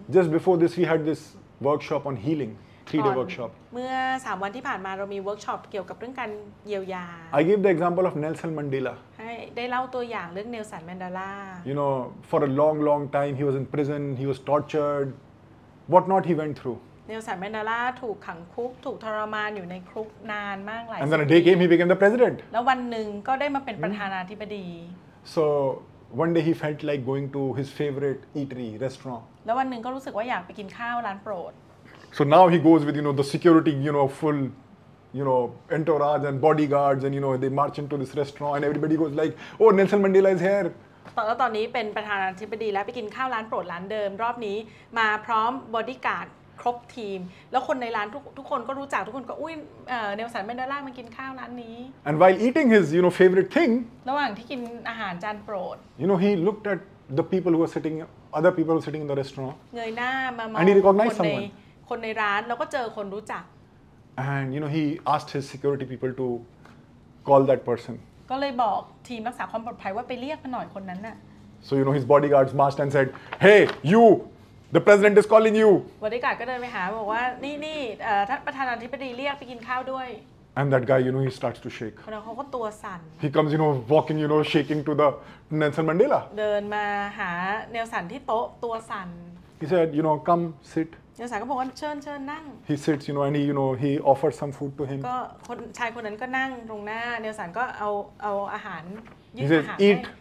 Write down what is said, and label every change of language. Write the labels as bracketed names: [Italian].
[English] Just before this, we had this workshop on healing. 3-day workshop [Thai] เมื่อ3วันที่ผ่านมาเรามีเวิร์คช็อปเกี่ยวกับเรื่องการเยียวยา [English] I give the example of Nelson Mandela [Thai] ให้ได้เล่าตัวอย่างเรื่องเนลสันแมนเดลา [English] You know for a long long time he was in prison he was tortured what not he went through [Thai] Nelson Mandela ถูกขังคุกถูกทรมานอยู่ในคุกนานมากหลาย [English] And then a day came he became the president [Thai] แล้ววันนึงก็ได้มาเป็นประธานาธิบดี [English] So one day he felt like going to his favorite eatery restaurant [Thai] แล้ววันนึงก็รู้สึกว่าอยากไปกินข้าวร้านโปรด [English] So now he goes with, you know, the security, you know, full, you know, entourage and bodyguards and, you know, they march into this restaurant and everybody goes like, oh, Nelson Mandela is here. [Thai] ตอนนี้เป็นประธานาธิบดีแล้วไปกินข้าวร้านโปรดร้านเดิมรอบนี้มาพร้อมบอดี้การ์ดครบทีมแล้วคนในร้านทุกคนก็รู้จักทุกคนก็อุ้ยเนลสันแมนเดล่ามากินข้าวร้านนี้ [English] and while eating his you know favorite thing [Thai] ระหว่างที่กินอาหารจานโปรด [English] you know he looked at the people who were sitting other people who were sitting in the restaurant [Thai] เงยหน้ามาม อง คนในร้านแล้วก็เจอคนรู้จัก [English] and you know he asked his security people to call that person [Thai] ก็เลยบอกทีมรักษาความปลอดภัยว่าไปเรียกมาหน่อยคนนั้นน่ะ [English] so you know his bodyguards marched and said hey youThe president is calling you. [Thai] บริการก็เดินไปหาบอกว่านี่ท่านประธานาธิบดีเรียกไปกินข้าวด้วย [English] And that guy, you know, he starts to shake. [Thai] แล้วเขาก็ตัวสั่น [English] He comes, you know, walking, you know, shaking to the Nelson Mandela. [Thai] เดินมาหาเนลสันที่โต๊ะตัวสั่น [English] He said, you know, come sit. [Thai] เนลสันก็บอกว่าเชิญนั่ง [English] He sits, you know, and he offers some food to him. [Thai] ก็คนชายคนนั้นก็นั่งตรงหน้าเนลสันก็เอาอาหาร ยื่นอาหารให้ [English] Eat.